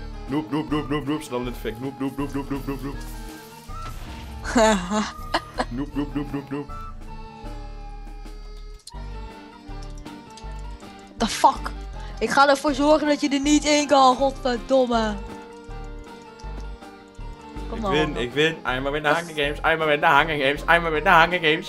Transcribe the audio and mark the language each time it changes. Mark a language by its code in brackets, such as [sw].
[nl] Noep, noep, noep, noep, noep. Snel in effect. Noep, noep, noep, noep, noep, noep, noep. Noep, noep, noep, noep, noep. [en] the fuck? [nl] Ik ga ervoor zorgen dat je er niet in kan, godverdomme. Ik win. [en] I'm a win the Hunger Games. I'm a win the Hunger Games.